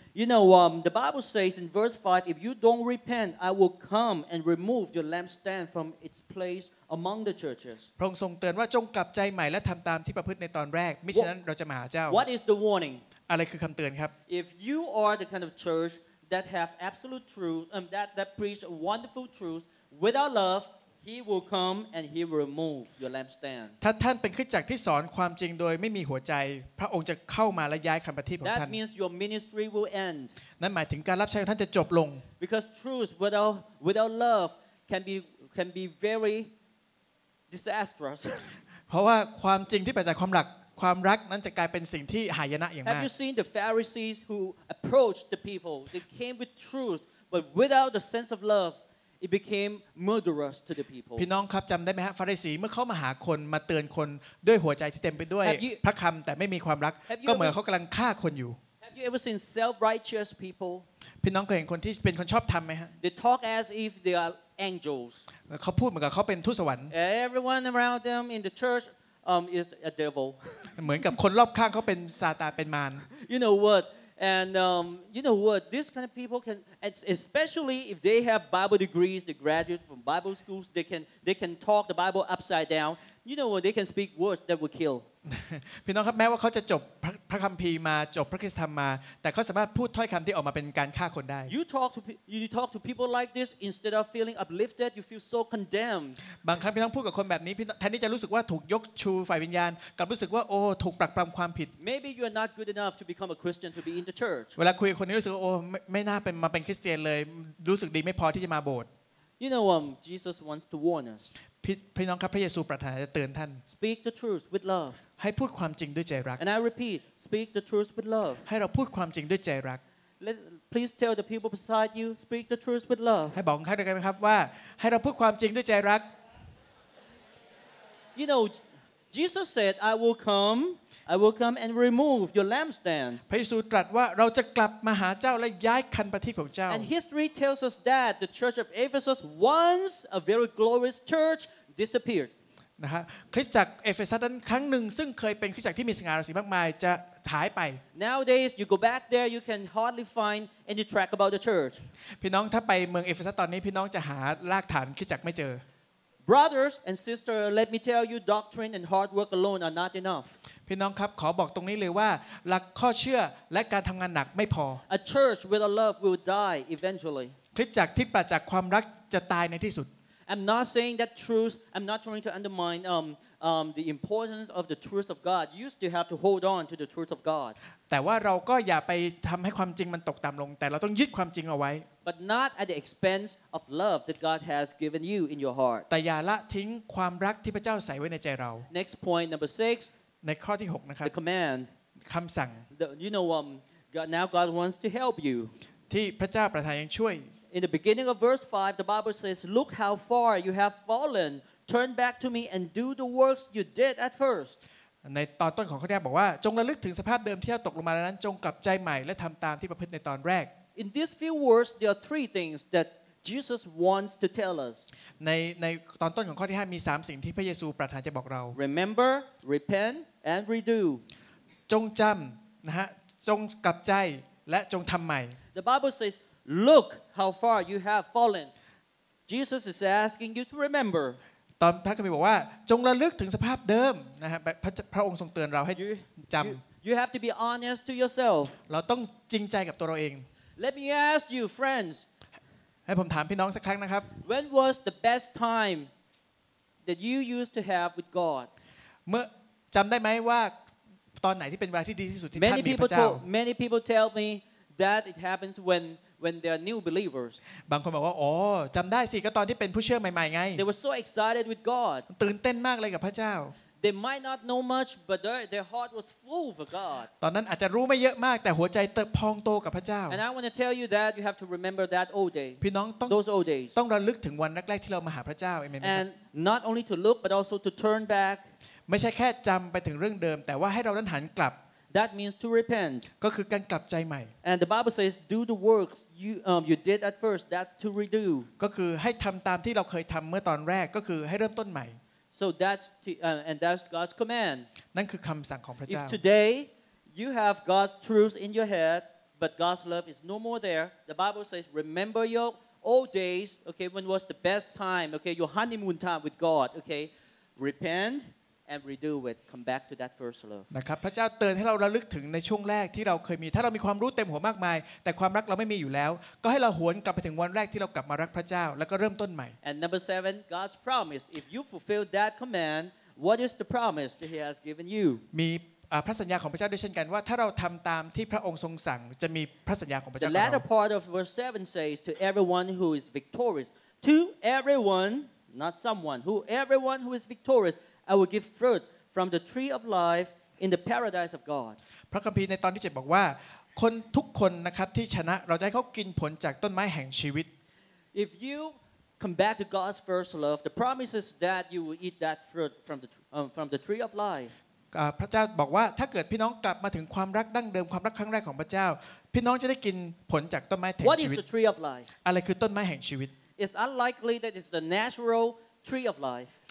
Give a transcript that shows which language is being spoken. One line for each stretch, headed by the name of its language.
English: You know the Bible says in verse 5 if you don't repent I will come and remove your lampstand from its place among the churches
Thai: พระองค์ทรงเตือนว่าจงกลับใจใหม่และทำตามที่ประพฤติในตอนแรกมิฉะนั้นเราจะมาหาเจ้า
English: What is the warning
Thai: อะไรคือคำเตือนครับ
English: If you are the kind of church that have absolute truth that preach wonderful truth without loveHe will come and he will remove your lampstand.
Thai: ถ้าท่านเป็นคริสตจักรที่สอนความจริงโดยไม่มีหัวใจพระองค์จะเข้ามาและย้ายคำปฏิบัติของท่าน
English: That means your ministry will end.
Thai: นั่นหมายถึงการรับใช้ของท่านจะจบลง
English: Because truth without love can be very disastrous.
Thai: เพราะว่าความจริงที่เป็นจากความหลักความรักนั้นจะกลายเป็นสิ่งที่หายนะอย่างมาก
English: Have you seen the Pharisees who approached the people? They came with truth but without the sense of love. It became murderous to the people.
Thai: พี่น้องครับจำได้ไหมฮะฟาริสีเมื่อเขามาหาคนมาเตือนคนด้วยหัวใจที่เต็มไปด้วยพระคำแต่ไม่มีความรักก็เหมือนเขากำลังฆ่าคนอยู่
English: Have you ever seen self-righteous people?
Thai: พี่น้องเคยเห็นคนที่เป็นคนชอบทำไหมฮะ
English: They talk as if they are angels.
Thai: เขาพูดเหมือนกับเขาเป็นทูตสวรรค์
English: Everyone around them in the church is a devil.
Thai: เหมือนกับคนรอบข้างเขาเป็นซาตานเป็นมาร
English: You know what? And you know what? These kind of people can, especially if they have Bible degrees, they graduate from Bible schools, they can talk the Bible upside down. You know what? They can speak words that will kill.
Thai: พี่น้องครับแม้ว่าเขาจะจบพระคัมภีร์มาจบพระคริสตธรรมมาแต่เขาสามารถพูดถ้อยคำที่ออกมาเป็นการฆ่าคนได้
English: You talk to people like this instead of feeling uplifted, you feel so condemned.
Thai: บางครั้งพี่น้องพูดกับคนแบบนี้แทนที่จะรู้สึกว่าถูกยกชูฝ่ายวิญญาณกลับรู้สึกว่าโอ้ถูกปรักปรำความผิด
English: Maybe you are not good enough to become a Christian to be in the church.
Thai: เวลาคุยกับคนนี้รู้สึกโอ้ไม่น่าเป็นมาเป็นคริสเตียนเลยรู้สึกดีไม่พอที่จะมาโบสถ์
English: You know Jesus wants to warn us.
Thai: พี่น้องครับพระเยซูประทานจะเตือนท่าน
English: Speak the truth with love
Thai: ให้พูดความจริงด้วยใจรัก
English: And I repeat speak the truth with love
Thai: ให้เราพูดความจริงด้วยใจรัก
English: Please tell the people beside you speak the truth with love
Thai: ให้บอกกันได้ไหมครับว่าให้เราพูดความจริงด้วยใจรัก
English: You know Jesus said I will come and remove your lampstand
Thai: พระเยซูตรัสว่าเราจะกลับมาหาเจ้าและย้ายคันประทีปของเจ้า
English: And history tells us that the church of Ephesus once a very glorious church disappeared
Thai: นะฮะคริสตจักรเอเฟซัสนั้นครั้งหนึ่งซึ่งเคยเป็นคริสตจักรที่มีสง่าราศีมากมายจะหายไป
English: Nowadays you go back there you can hardly find any track about the church
Thai: พี่น้องถ้าไปเมืองเอเฟซัสตอนนี้พี่น้องจะหารากฐานคริสตจักรไม่เจอ
English: Brothers and sisters, let me tell you, doctrine and hard work alone are not enough.
Thai: พี่น้องครับขอบอกตรงนี้เลยว่าหลักข้อเชื่อและการทำงานหนักไม่พอ
English: A church without love will die eventually.
Thai: คริสตจักรที่ปราศจากความรักจะตายในที่สุด
English: I'm not saying that truth. I'm not trying to undermine the importance of the truth of God. You still have to hold on to the truth of God.
Thai: แต่ว่าเราก็อย่าไปทำให้ความจริงมันตกต่ำลงแต่เราต้องยึดความจริงเอาไว้
English: But not at the expense of love that God has given you in your heart.
Thai: แต่อย่าละทิ้งความรักที่พระเจ้าใส่ไว้ในใจเรา
English: Next point number 6.
Thai: ในข้อที่6นะครับ
English: The command.
Thai: คำสั่ง
English: You know now God wants to help you.
Thai: ที่พระเจ้าประทานยังช่วย
English: In the beginning of verse 5, the Bible says, "Look how far you have fallen. Turn back to me and do the works you did at first."
Thai: ในตอนต้นของข้อที่บอกว่าจงระลึกถึงสภาพเดิมที่เราตกลงมาแล้วนั้นจงกลับใจใหม่และทำตามที่ประพฤติในตอนแรก
English: In these few words, there are three things that Jesus wants to tell us.
Thai: ในตอนต้นของข้อที่5มี3สิ่งที่พระเยซูประทานจะบอกเรา
English: Remember, repent, and redo.
Thai: จงจำนะฮะจงกลับใจและจงทำใหม่
English: The Bible says. Look how far you have fallen. Jesus is asking you to remember.
Thai: ตอนพระคัมภีร์บอกว่าจงระลึกถึงสภาพเดิมนะฮะพระองค์ทรงเตือนเราให้จำ
English: You have to be honest to yourself.
Thai: เราต้องจริงใจกับตัวเราเอง
English: Let me ask you, friends.
Thai: ให้ผมถามพี่น้องสักครั้งนะครับ
English: When was the best time that you used to have with God?
Thai: เมื่อจำได้ไหมว่าตอนไหนที่เป็นเวลาที่ดีที่สุดที่ท่านมีพระเจ้า
English: Many people tell me that it happens when they are new believers
Thai: บางคนบอกว่าอ๋อจําได้สิก็ตอนที่เป็นผู้เชื่อใหม่ๆไง
English: They were so excited with God
Thai: ตื่นเต้นมากเลยกับพระเจ้า
English: They might not know much but their heart was full for God
Thai: ตอนนั้นอาจจะรู้ไม่เยอะมากแต่หัวใจเติบพองโตกับพระเจ้า
English: And I want to tell you that you have to remember that old day
Thai: พี่น้องต้อง
English: Those old days
Thai: ต้องระลึกถึงวันแรกๆที่เรามาหาพระเจ้าเอเมนมั้ยครับ
English: And not only to look but also to turn back
Thai: ไม่ใช่แค่จําไปถึงเรื่องเดิมแต่ว่าให้เรานั้นหันกลับ
English: That means to repent.
Thai: ก็คือการกลับใจใหม่
English: And the Bible says, "Do the works you did at first." That's to redo.
Thai: ก็คือให้ทำตามที่เราเคยทำเมื่อตอนแรกก็คือให้เริ่มต้นใหม่
English: So that's and that's God's command.
Thai: นั่นคือคำสั่งของพระเจ้า
English: If today you have God's truth in your head, but God's love is no more there, the Bible says, "Remember your old days. Okay, when was the best time? Okay, your honeymoon time with God. Okay, repent." And redo it. Come back to that first love.
Thai: นะครับพระเจ้าเตือนให้เราระลึกถึงในช่วงแรกที่เราเคยมีถ้าเรามีความรู้เต็มหัวมากมายแต่ความรักเราไม่มีอยู่แล้วก็ให้เราหวนกลับไปถึงวันแรกที่เรากลับมารักพระเจ้าแล้วก็เริ่มต้นใหม่
English: And number 7, God's promise. If you fulfill that command, what is the promise that He has given you?
Thai: มีพระสัญญาของพระเจ้าด้วยเช่นกันว่าถ้าเราทำตามที่พระองค์ทรงสั่งจะมีพระสัญญาของพระเจ้า ต่อเรา
English: The latter part of verse 7 says to everyone who is victorious, to everyone, not someone, who everyone who is victorious. I will give fruit from the tree of life in the paradise of God.
Thai: พระคัมภีร์ในตอนที่7บอกว่าคนทุกคนนะครับที่ชนะเราจะให้เขากินผลจากต้นไม้แห่งชีวิต
English: If you come back to God's first love, the promise is that you will eat that fruit from the tree of life.
Thai: พระเจ้าบอกว่าถ้าเกิดพี่น้องกลับมาถึงความรักดั้งเดิมความรักครั้งแรกของพระเจ้าพี่น้องจะได้กินผลจากต้นไม้แห่งชี วิ ต
English: What is the tree of life?
Thai: อะไรคือต้นไม้แห่งชีวิต
English: It's unlikely that it's the naturaltree of life